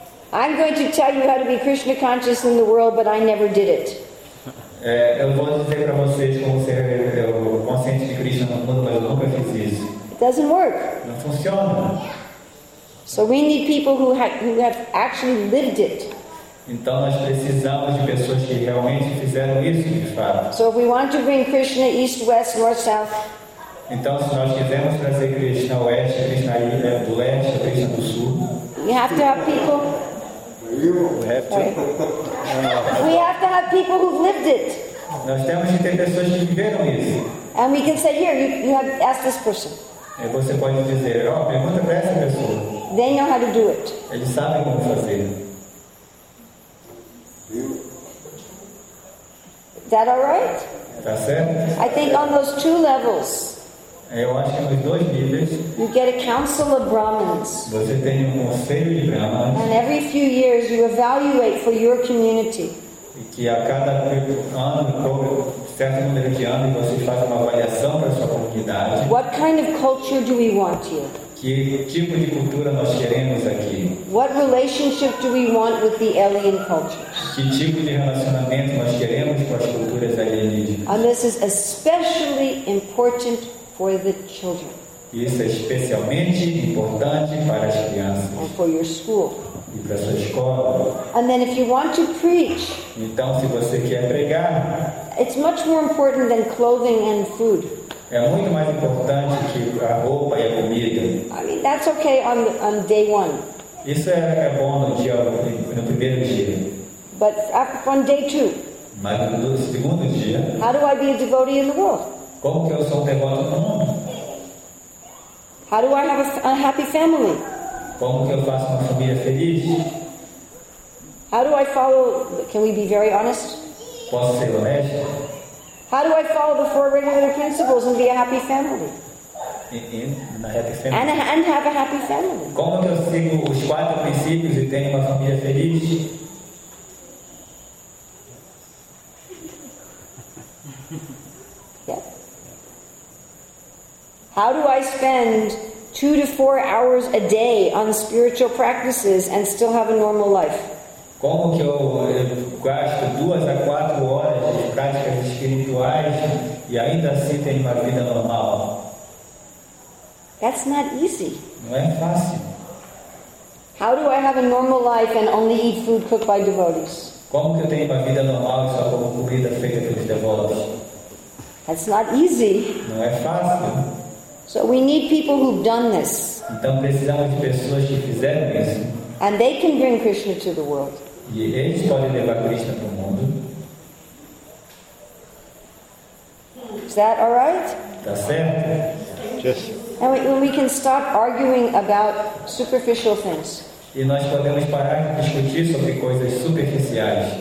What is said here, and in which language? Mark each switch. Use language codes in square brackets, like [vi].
[en] I'm going to tell you how to be Krishna conscious in the world, but I never did it. [pt] Eu vou dizer para vocês como ser consciente de Krishna no mundo, mas eu nunca fiz isso. [en] It doesn't work. [pt] Não funciona. [en] So we need people who have actually lived it. [pt] Então nós precisamos de pessoas que realmente fizeram isso de fato. [en] So if we want to bring Krishna east, west, north, south. [pt] Então se nós quisermos trazer Krishna ao oeste, Krishna aí, né, do leste, Krishna do sul. [en] We have to have people. We have to have people who've lived it. [pt] Nós temos que ter pessoas que viveram isso. [en] And we can say, here, you have asked this person. [pt] E você pode dizer, ó, pergunta para essa pessoa. [en] They know how to do it. [pt] Eles sabem como fazer. [en] Is that all right? [pt] Tá certo. [en] I think on those two levels. [pt] Eu acho que nos dois níveis. [en] You get a council of Brahmins. [pt] Você tem um conselho de Brahmins. [en] And every few years you evaluate for your community. [pt] E que a cada ano, certo número de anos, você faz uma avaliação para sua comunidade. [en] What kind of culture do we want here? [pt] Que tipo de cultura nós queremos aqui? [en] What relationship do we want with the alien cultures? [pt] Que tipo de relacionamento nós queremos com as culturas alienígenas? [en] And this is especially important for the children. [pt] Isso é especialmente importante para as crianças. [en] And for your school. [pt] E para a sua escola. [en] And then if you want to preach. [pt] Então se você quer pregar. [en] It's much more important than clothing and food. [pt] É muito mais importante que a roupa e a comida. [en] I mean, that's okay on day one. [pt] Isso é bom no primeiro dia. [en] But on day two. [pt] Mas no segundo dia. [en] How do I be a devotee in the world? [pt] Como que eu sou um devoto no mundo? [en] How do I have a happy family? [pt] Como que eu faço uma família feliz? [en] How do I follow? Can we be very honest? [pt] Posso ser honesto? [en] How do I follow the four regular principles and be a happy family? And have a happy family. [pt] Como que eu sigo os quatro princípios e tenho uma família feliz? [en] How do I spend 2 to 4 hours a day on spiritual practices and still have a normal life? [pt] Como que eu gasto 2 a 4 horas de práticas espirituais e ainda assim tenho uma vida normal? [en] That's not easy. [pt] Não é fácil. [en] How do I have a normal life and only eat food cooked by devotees? [pt] Como que eu tenho uma vida normal e só como comida feita pelos devotos? [en] That's not easy. [pt] Não é fácil. [en] So we need people who've done this. [pt] Então precisamos de pessoas que fizeram isso. [en] And they can bring Krishna to the world. [pt] E eles podem levar Krishna para o mundo. [en] Is that all right? [pt] Tá certo. [en] Just. And we can stop arguing about superficial things. [pt] E nós podemos parar de discutir sobre coisas superficiais.